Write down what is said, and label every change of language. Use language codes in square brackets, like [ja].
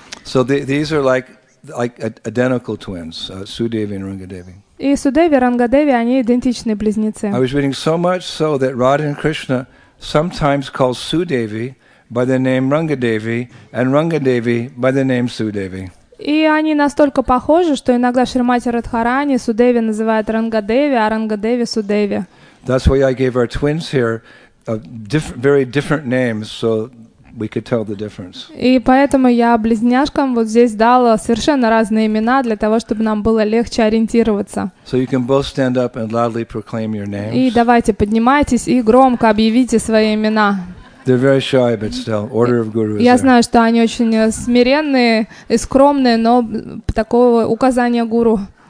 [en] So these are like identical twins, Sudevi and Rangadevi. [ru] И Судеви и Рангадеви, они идентичные близнецы. [en] I was reading so much so that Radha and Krishna sometimes call Sudevi by the name Rangadevi, and Rangadevi by the name Sudevi. [ru] И они настолько похожи, что иногда Шримати Радхарани Судеви называют Рангадеви, а Рангадеви Судеви. [en] That's why I gave our twins here very different names, so we could tell the difference. [ru] И поэтому я близняшкам вот здесь дала совершенно разные имена для того, чтобы нам было легче ориентироваться. [en] So you can both stand up and loudly proclaim your names. [ru] И давайте поднимайтесь и громко объявите свои имена. [en] They're very shy, but still, order of guru is there. [ru] Я знаю, что они очень смиренные и скромные, но такое указание гуру.